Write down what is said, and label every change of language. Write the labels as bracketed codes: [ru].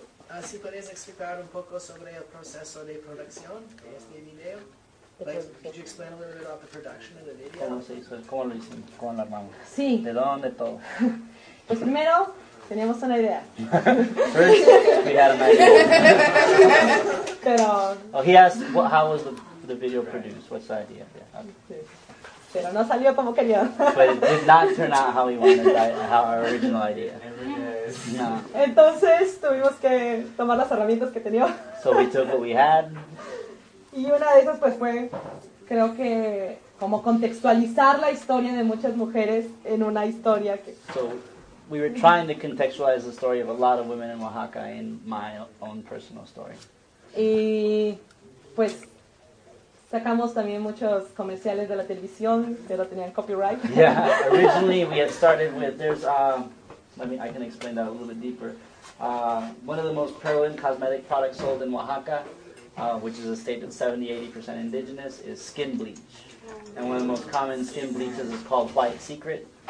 [es] ¿Así podrías explicar un poco sobre el proceso de producción de este video? [en] Could you explain a little bit about the production of the video? [es] ¿Cómo se hizo? ¿Cómo lo hicimos? ¿Cómo lo armamos? Sí. ¿De dónde todo? Pues primero, teníamos una idea. First, we had an idea. Pero... [en] Oh, he asked, well, how was the video produced? What's the idea? Yeah. Okay. [es] Pero no salió como quería. [en] But it did not turn out how we wanted, how our original idea. Yes. [es] No. Entonces tuvimos que tomar las herramientas que tenía. [en] So we took what we had. [es] Y una de esas pues fue, creo que, como contextualizar la historia de muchas mujeres en una historia que... [en] So we were trying to contextualize the story of a lot of women in Oaxaca in my own personal story. [es] Y pues... sacamos también muchos comerciales de la televisión, pero tenían copyright. [en] Yeah, originally we had started with, there's, I can explain that a little bit deeper. One of the most prevalent cosmetic products sold in Oaxaca, which is a state that's 70-80% indigenous, is skin bleach. And one of the most common skin bleaches is called White Secret.